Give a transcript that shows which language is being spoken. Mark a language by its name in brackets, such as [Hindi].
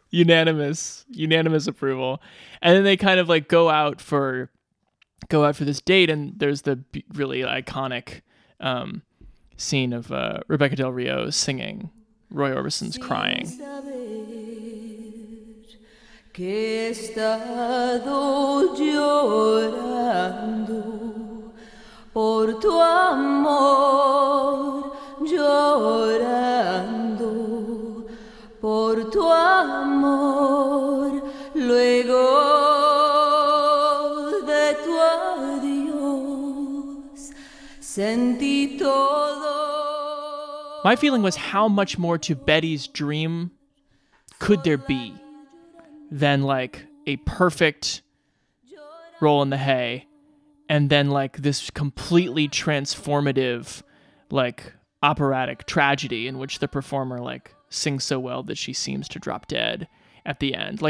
[English] Unanimous approval. And then they kind of like go out for this date, and there's the really iconic scene of Rebecca Del Rio singing Roy Orbison's Crying. [Spanish] Que he estado llorando por tu amor, llorando por tu amor, luego de tu adiós, sentí todo. [English] My feeling was, how much more to Betty's dream could there be than like a perfect roll in the hay, and then like this completely transformative, like operatic tragedy in which the performer like sings so well that she seems to drop dead at the end.